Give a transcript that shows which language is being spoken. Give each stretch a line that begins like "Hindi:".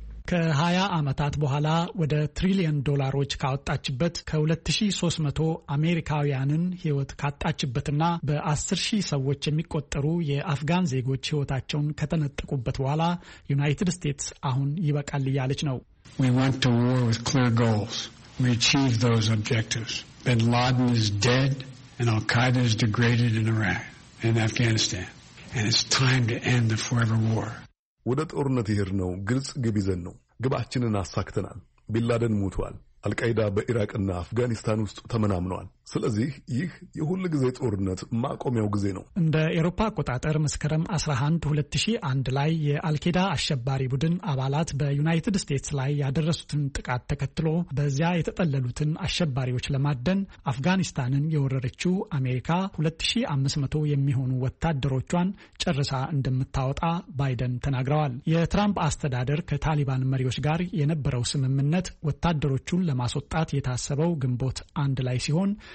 Amharic: ከ20 ዓመታት በኋላ ወደ ትሪሊየን ዶላሮች ካወጣችበት ከ2300 አሜሪካውያንን ሕይወት ካጣችበትና በ10,000 ሰዎች የሚቆጠሩ የአፍጋን ዜጎች ሕይወታቸውን ከተነጠቁበት በኋላ ዩናይትድ ስቴትስ አሁን ይበቃል እያለች ነው።
English: We went to war with clear goals. We achieved those objectives. Bin Laden is dead and Al-Qaeda is degraded in Iraq and Afghanistan. And it's time to end the forever war.
Amharic: ወደ ጦርነት ይሄድ ነው ግልጽ ግብ ይዘን ነው። ግባችንን አሳክተናል። ቢላደን ሞቷል። አልቃይዳ በኢራቅና አፍጋኒስታን ውስጥ ተመናምኗል። ስለዚህ ይህ የሁሉ ጊዜ ጦርነት ማቆሚያው ጊዜ ነው። እንደ አውሮፓ አቆጣጠር መስከረም 11 2001 ላይ የአልቃይዳ አሸባሪ ቡድን አባላት በዩናይትድ ስቴትስ ላይ ያደረሱትን ጥቃት ተከትሎ በዚያ የተጠለሉትን አሸባሪዎች ለማደን አፍጋኒስታንን የወረረችው አሜሪካ 2500 የሚሆኑ ወታደሮቿን ጨርሳ እንደምታወጣ ባይደን ተናግረዋል። የትራምፕ አስተዳደር ከታሊባን መሪዎች ጋር የነበረው ስምምነት ወታደሮቹን ለማስወጣት የታሰበው ግንቦት 1 ላይ ሲሆን